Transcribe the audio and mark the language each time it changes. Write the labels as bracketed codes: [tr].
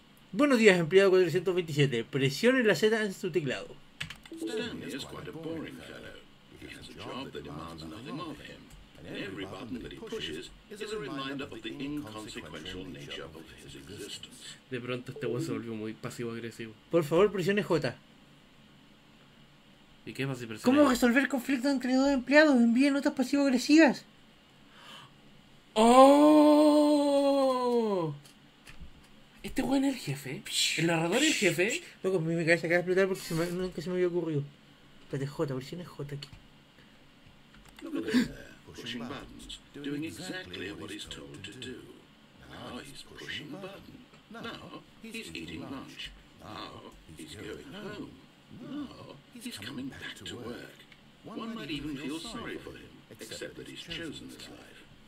[es] Buenos días, empleado 427. Presione la Z en su teclado. [en] Stan is quite a boring fellow. He has a job that demands nothing of him. And every button that he pushes is a reminder of the inconsequential nature of his existence. [es] De pronto este weón se volvió muy pasivo-agresivo. Por favor, presione J. ¿Y qué más si presione? ¿Cómo resolver conflictos entre dos empleados? Envíe notas pasivo-agresivas. ¡Oh! ¿Este weón es el jefe? ¿El narrador es el jefe? Loco, mi cabeza acaba de explotar porque nunca se me había ocurrido. Espérate, J, presione J aquí. [en] Pushing buttons, doing exactly what he's told to do. Now he's pushing a button. Now he's eating lunch. Now he's going home. Now he's coming back to work. One might even feel sorry for him, except that he's chosen this life.